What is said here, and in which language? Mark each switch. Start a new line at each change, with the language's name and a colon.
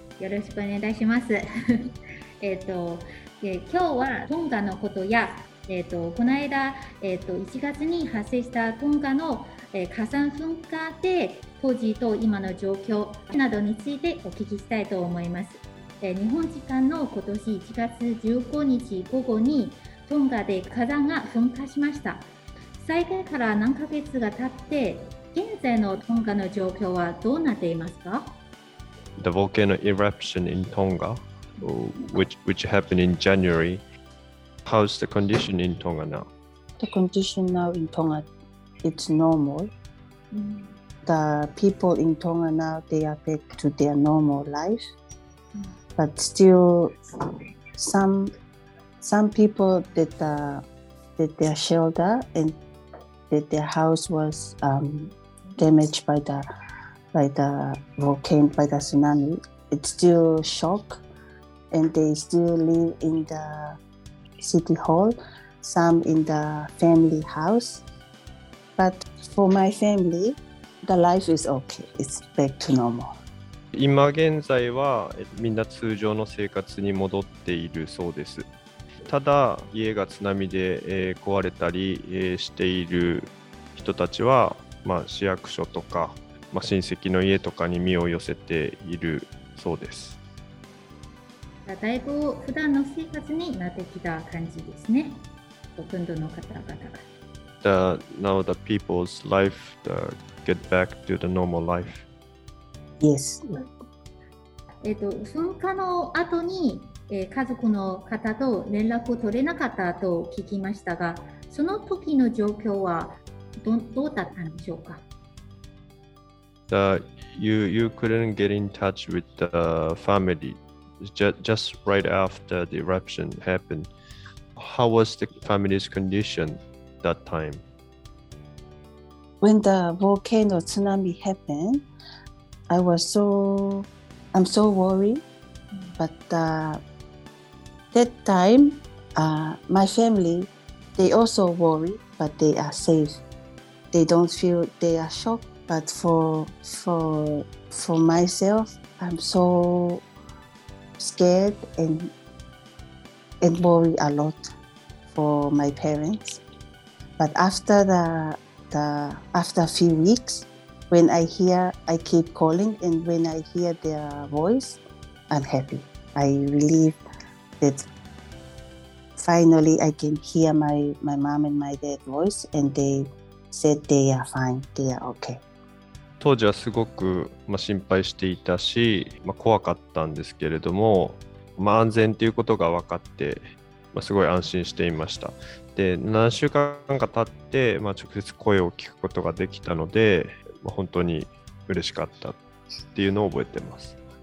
Japanese: よろしくお願いいたします。今日はトンガのことや、この間、1月に発生したトンガの、火山噴火で当時と今の状況などについてお聞きしたいと思います。日本時間の今年1月15日午後にトンガで火山が噴火しました。災害から何ヶ月が経って現在のトンガの状況はどうなっていますか？
English: The volcano eruption in Tonga, which happened in January, how's the condition in Tonga now? The condition now in Tonga, it's normal. The people in Tonga now, they are back to their normal life. But still, some people that their shelter and that their house was damaged by the volcano, by the tsunami, it's still shock, and they still live in the city hall, some in the family house. But for my family, the life is okay. It's back to normal.
Japanese: 今現在はみんな通常の生活に戻っているそうです。ただ家が津波で壊れたりしている人たちは、まあ、市役所とか、まあ、親戚の家とかに身を寄せているそうです。だいぶ普段の生活になってきた感じですね、ほとんどの方々が。
English: Now the people's life get back to the normal life. Yes.
Japanese: 噴火の後に、家族の方と連絡を取れなかったと聞きましたが、その時の状況は どうだったんでしょうか？
English: You couldn't get in touch with the family just right after the eruption happened. How was the family's condition that time? When the volcano tsunami happened,I'm so worried, but that time, my family, they also worry, but they are safe. They don't feel they are shocked, but for myself, I'm so scared and worry a lot for my parents. But after after a few weeks,When I hear, I keep calling, and when I hear their voice, I'm happy. I relieved that finally I can hear my mom and my dad voice, and they said they are fine, they are okay.
Japanese: 当時はすごく、まあ、心配していたし、まあ、怖かったんですけれども、まあ、安全ということが分かって、まあ、すごい安心していました。で、何週間か経って、まあ、直接声を聞くことができたので、本当に嬉しかったっていうのを覚えてます。